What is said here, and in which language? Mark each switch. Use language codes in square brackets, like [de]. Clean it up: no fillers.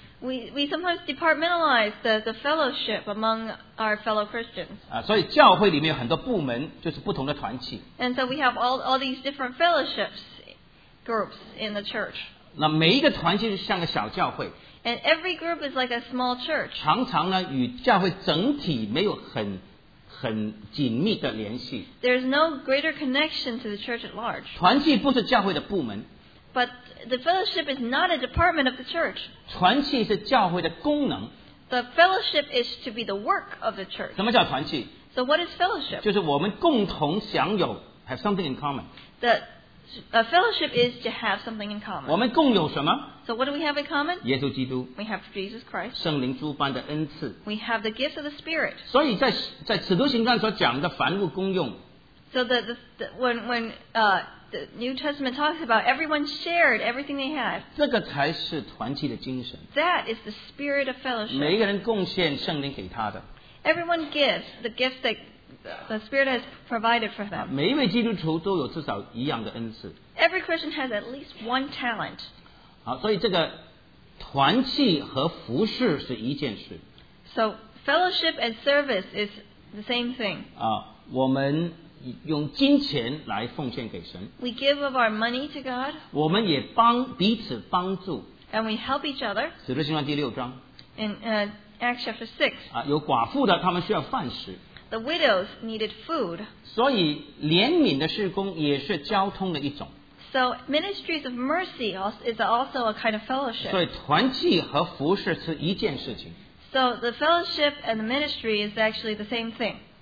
[en] We sometimes departmentalize the fellowship among our fellow Christians. [zh] 所以教会里面有很多部门, 就是不同的团契, [en] and so we have all these different fellowships groups in the church. [zh] 那每一个团契是像个小教会, [en] and every group is like a small church. [zh] 常常呢, 与教会整体没有很, 很紧密的联系, [en] there's no greater connection to the church at large. [zh] 团契不是教会的部门, [en] but the fellowship is not a department of the church. [zh] 团契是教会的功能, [en] the fellowship is to be the work of the church. [zh] 什么叫团契? [en] So what is fellowship? [zh] 就是我们共同享有, [en] have something in common. A fellowship is to have something in common. [zh] 我们共有什么? [en] So what do we have in common? [zh] 耶稣基督, [en] we have Jesus Christ. [zh] 圣灵诸般的恩赐, [en] we have the gifts of the Spirit. [zh] 所以在使徒行传所讲的凡物公用, [en] so when the New Testament talks about everyone shared everything they had, [zh] 这个才是团契的精神, [en] that is the spirit of fellowship. [zh] 每一个人贡献圣灵给他的, [en] everyone gives the gifts that the Spirit has provided for them. [zh] 每一位基督徒都有至少一样的恩赐, [en] every Christian has at least one talent. [zh] 好, 所以这个团契和服事是一件事, [en] so fellowship and service is the same thing. [zh] 我们用金钱来奉献给神, [en] we give of our money to God, [zh] 我们也帮彼此帮助, [en] and we help each other. [zh] 使徒行传第六章, [en] in Acts chapter 6, [zh] 有寡妇的他们需要饭食, [en] the widows needed food. [zh] 所以怜悯的事工也是交通的一种, [en] so ministries of mercy is also a kind of fellowship. [zh] 所以团契和服事是一件事情, [en] so the fellowship and the ministry is actually the same thing.